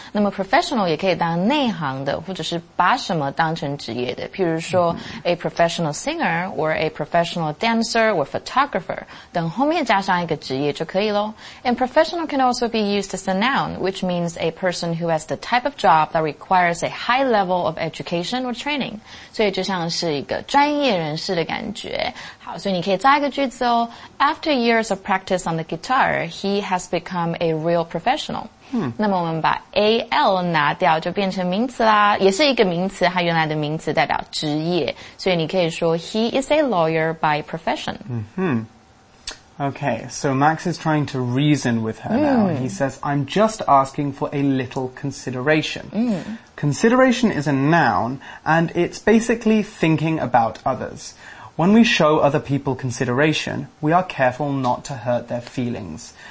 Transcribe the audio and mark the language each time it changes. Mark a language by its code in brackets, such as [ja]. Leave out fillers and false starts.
[zh] 那么 professional 也可以当内行的或者是把什么当成职业的。譬如说 a professional singer or a professional dancer or photographer 等后面加上一个职业就可以咯。 [en] And professional can also be used as a noun, which means a person who has the type of job that requires a high level of education or training. [zh] 所以就像是一个专业人士的感觉。好，所以你可以造一个句子哦。 [en] After years of practice on the guitar, he has become a real professional. [zh] 那么我们把 AL 拿掉就变成名词啦，也是一个名词，它原来的名词代表职业。 [en] 所以你可以说 he is a lawyer by profession. Okay, so Max is trying to reason with her now. And he says, I'm just asking for a little consideration. Consideration is a noun, and it's basically thinking about others. When we show other people consideration, we are careful not to hurt their feelings.